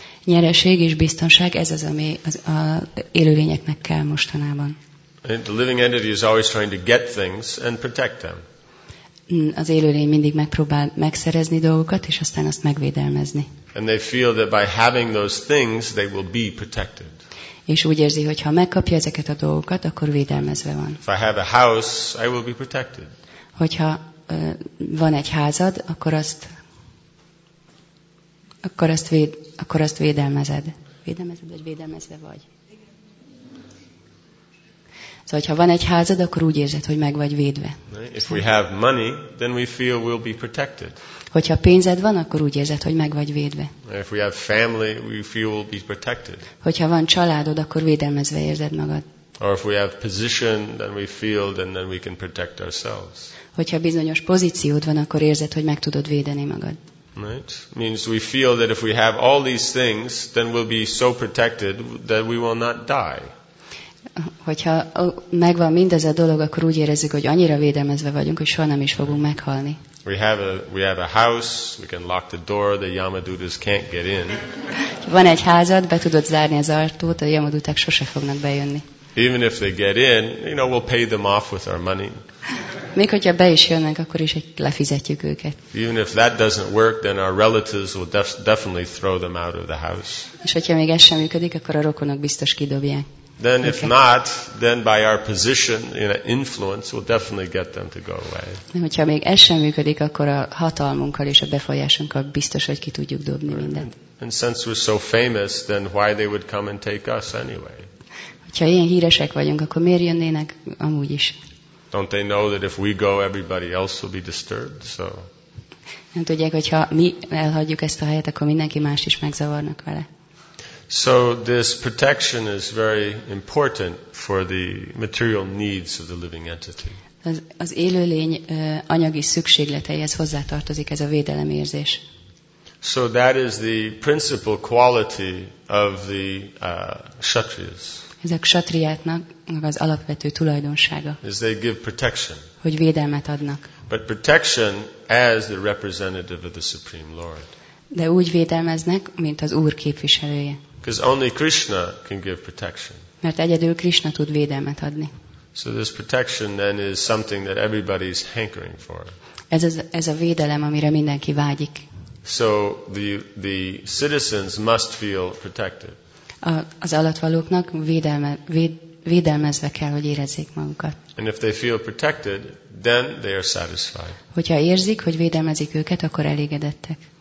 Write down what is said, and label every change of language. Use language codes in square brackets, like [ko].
[hu] Nyereség és biztonság, ez az, ami a élőlényeknek kell mostanában. [en] The living entity is always trying to get things and protect them. [hu] Az élőlény mindig megpróbál megszerezni dolgokat, és aztán azt megvédelmezni. [en] And they feel that by having those things, they will be protected. [hu] És úgy érzi, hogy ha megkapja ezeket a dolgokat, akkor védelmezve van. [en] If I have a house, I will be protected. [hu] Hogyha van egy házad, akkor azt védelmezed. Védelmezed, vagy védelmezve vagy. Szóval, ha van egy házad, akkor úgy érzed, hogy meg vagy védve. [en] If we have money, then we feel we'll be protected. [hu] Hogyha pénzed van, akkor úgy érzed, hogy meg vagy védve. [en] If we have family, we feel we'll be protected. [hu] Hogyha van családod, akkor védelmezve érzed magad. [en] Or if we have position, then we feel then we can protect ourselves. [hu] Hogyha bizonyos pozíciód van, akkor érzed, hogy meg tudod védeni magad. [en] Right? Means we feel that if we have all these things, then we'll be so protected that we will not die. [hu] Hogyha megvan mindez a dolog, akkor úgy érezzük, hogy annyira védelmezve vagyunk, hogy soha nem is fogunk meghalni. [en] We have a house, we can lock the door, the yamadutas can't get in. [hu] Van egy házad, be tudod zárni az ajtót, a yamaduták sose fognak bejönni. [en] Even if they get in, you know, we'll pay them off with our money. [hu] Még hogyha be is jönnek, akkor is lefizetjük őket. [en] Even if that doesn't work, then our relatives will definitely throw them out of the house. [hu] És hogyha még ez sem működik, akkor a rokonok biztos kidobják. [en] Then if not, then by our position, you know, influence, we'll definitely get them to go away. [hu] Hogyha még ez sem működik, akkor a hatalmunkkal és a befolyásunkkal biztos, hogy ki tudjuk dobni mindent. [en] And since we're so famous, then why they would come and take us anyway? [hu] Hogyha ilyen híresek vagyunk, akkor miért jönnének amúgy is? [en] Don't they know that if we go, everybody else will be disturbed? So. [hu] Nem tudják, hogyha mi elhagyjuk ezt a helyet, akkor mindenki más is megzavarnak vele. [en] So this protection is very important for the material needs of the living entity. [hu] Az élőlény anyagi szükségleteihez hozzátartozik ez a védelemérzés. [en] So that is the principal quality of the kshatriyas. [hu] Ezek kshatriyáknak az alapvető tulajdonsága. [en] Is they give protection. [hu] Hogy védelmet adnak. [en] But protection as the representative of the Supreme Lord. [hu] De úgy védelmeznek, mint az Úr képviselője. [en] Because only Krishna can give protection. [hu] Mert egyedül Krishna tud védelmet adni. [en] So this protection then is something that everybody's hankering for. [hu] Ez a védelem, amire mindenki vágyik. [en] So the citizens must feel protected. [hu] Az alattvalóknak védelmezve kell, hogy érezzék magukat. [en] And if they feel protected, then they are satisfied. [hu] Hogyha érzik, hogy védelmezik őket, akkor elégedettek.